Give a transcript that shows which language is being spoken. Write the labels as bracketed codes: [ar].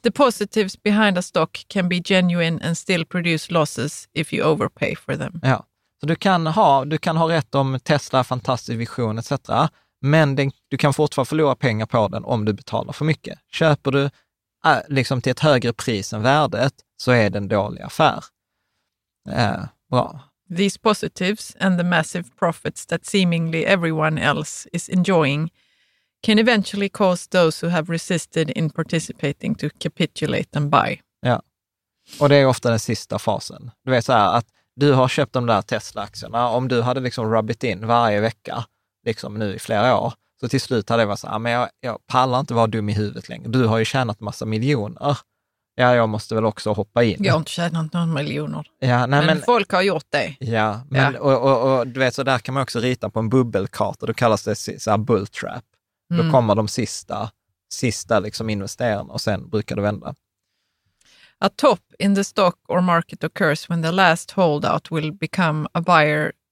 [en] The positives behind a stock can be genuine and still produce losses if you overpay for them. [sv] Ja, så du kan ha rätt om Tesla, fantastisk vision etc. Men du kan fortfarande förlora pengar på den om du betalar för mycket. Köper du liksom till ett högre pris än värdet, så är det en dålig affär. Bra. [en] These positives and the massive profits that seemingly everyone else is enjoying can eventually cause those who have resisted in participating to capitulate and buy. [sv] Ja, och det är ofta den sista fasen. Du vet så här, att du har köpt de där Tesla-aktierna, om du hade liksom rubbit in varje vecka, liksom nu i flera år, så till slut hade det varit så här, men jag pallar inte vara dum i huvudet längre. Du har ju tjänat massa miljoner. Ja, jag måste väl också hoppa in. Jag har inte tjänat några miljoner. Ja, nej, men folk har gjort det. Ja, men, ja. Och du vet, så där kan man också rita på en bubbelkarta, då kallas det så här bull trap. Mm. Då kommer de sista liksom investerarna, och sen brukar det vända. [en] A top in the stock or market occurs when the last holdout will become a buyer.